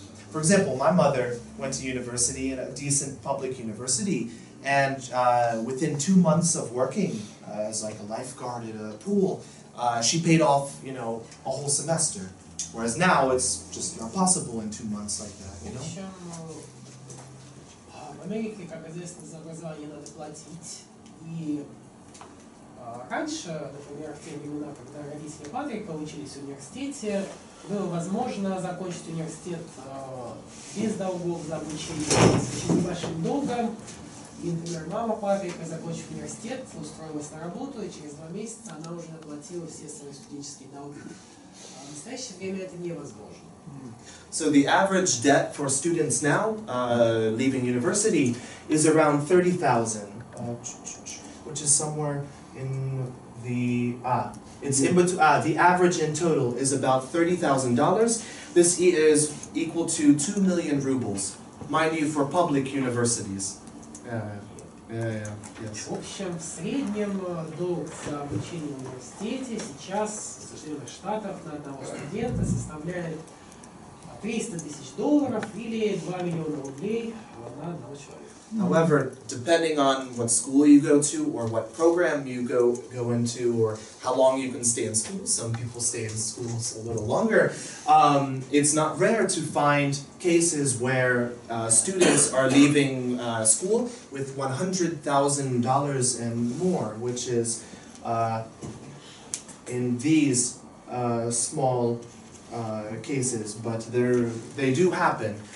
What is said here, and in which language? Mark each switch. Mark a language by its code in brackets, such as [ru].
[en] For example, my mother went to university in a decent public university, and within 2 months of working as like a lifeguard at a pool, she paid off, you know, a whole semester. Whereas now it's just not possible in 2 months like that, you know? [ru] В общем, в Америке, как известно, за образование надо платить. Раньше, например, в те времена, когда родители Патрика учились в университете, было возможно закончить университет без долгов за обучение, с очень небольшим долгом. И, например, мама Патрика, закончив университет, устроилась на работу, и через 2 месяца она уже оплатила все свои студенческие долги. А в настоящее время это невозможно. [en] So the average debt for students now, leaving university, is around 30,000, which is somewhere in the the average in total is about $30,000. This is equal to 2 million rubles, mind you, for public universities. Yes. [ru] В общем, в среднем долг за обучение в университете сейчас в Соединенных Штатах на одного студента составляет $300,000 или 2 миллиона рублей на одного человека. [en] However, depending on what school you go to, or what program you go into, or how long you can stay in school, some people stay in schools a little longer, it's not rare to find cases where students are leaving school with $100,000 and more, which is in these small cases, but they do happen.